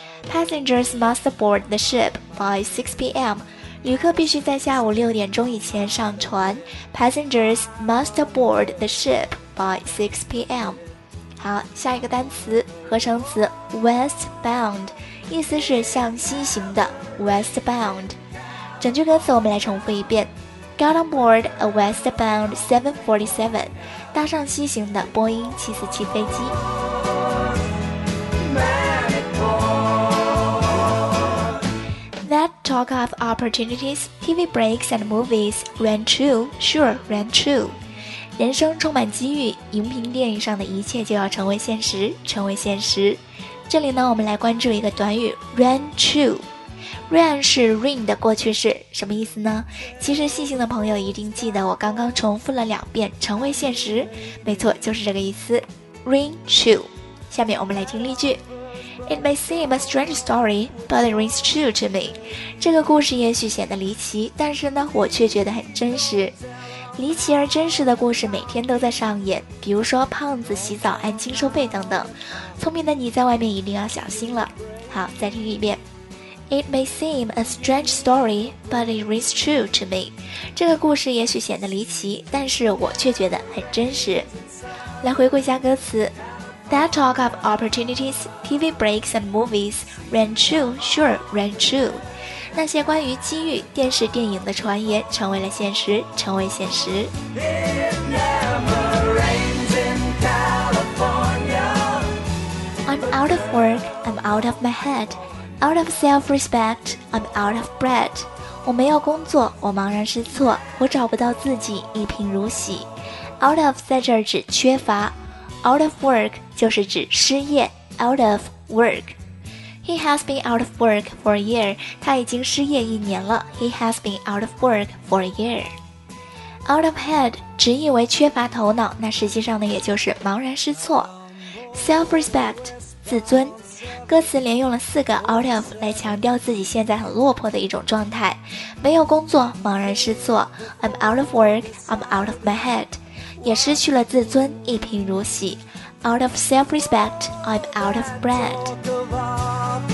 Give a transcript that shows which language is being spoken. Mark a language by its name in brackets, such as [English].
[English] passengers must board the ship by 6 p.m. [Chinese] 旅客必须在下午六点钟以前上船。 [English] Passengers must board the ship by 6 p.m. [Chinese] 好，下一个单词，合成词 westbound， 意思是向西行的 westbound。整句歌词我们来重复一遍， [English] Got on board a westbound 747， [Chinese] 搭上西行的波音747飞机。 [English] That talk of opportunities, TV breaks and movies ran true, sure ran true. [Chinese] 人生充满机遇，荧屏电影上的一切就要成为现实，成为现实。这里呢，我们来关注一个短语 ran true。Ran 是 rain 的过去式，什么意思呢？其实细心的朋友一定记得我刚刚重复了两遍成为现实，没错，就是这个意思 ran true。下面我们来听例句。 [English] It may seem a strange story, but it rings true to me. [Chinese] 这个故事也许显得离奇，但是呢，我却觉得很真实。离奇而真实的故事每天都在上演，比如说胖子洗澡按金收费等等。聪明的你在外面一定要小心了。好，再听一遍。 [English] It may seem a strange story, but it rings true to me. [Chinese] 这个故事也许显得离奇，但是我却觉得很真实。来回顾一下歌词。 [English] That talk of opportunities, TV breaks and movies ran true, sure ran true. [Chinese] 那些关于机遇、电视、电影的传言成为了现实，成为现实。 [English] I'm out of work, I'm out of my head. Out of self-respect, I'm out of bread. [Chinese] 我没有工作，我茫然失措，我找不到自己，一贫如洗。 Out of 在这儿指缺乏。Out of work 就是指失业。 [English] Out of work. He has been out of work for a year. [Chinese] 他已经失业一年了。 [English] He has been out of work for a year. [Chinese] Out of head 只以为缺乏头脑，那实际上呢，也就是茫然失措。 Self-respect 自尊。歌词连用了四个 out of 来强调自己现在很落魄的一种状态。没有工作，茫然失措。 [English] I'm out of work. I'm out of my head. [Chinese] 也失去了自尊，一贫如洗。 [English] Out of self-respect, I'm out of bread.